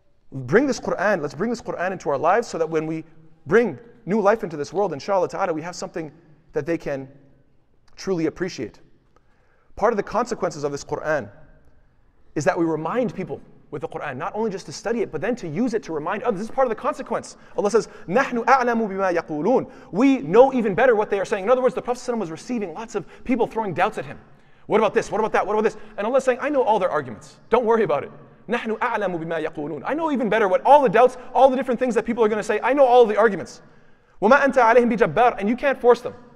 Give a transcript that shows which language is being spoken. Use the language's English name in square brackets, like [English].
[English] Let's bring this Quran into our lives so that when we bring new life into this world, inshallah ta'ala, we have something that they can truly appreciate. Part of the consequences of this Quran is that we remind people with the Quran, not only just to study it, but then to use it to remind others. This is part of the consequence. Allah says, [Arabic] نَحْنُ أَعْلَمُ بِمَا يَقُولُونَ. [English] We know even better what they are saying. In other words, the Prophet was receiving lots of people throwing doubts at him. What about this? What about that? What about this? And Allah is saying, I know all their arguments. Don't worry about it. [Arabic] نَحْنُ أَعْلَمُ بِمَا يَقُولُونَ. [English] I know even better what all the doubts, all the different things that people are going to say. I know all the arguments. [Arabic] وَمَا أَنْتَ عَلَيْهِمْ بِجَبَّارٍ. [English] And you can't force them.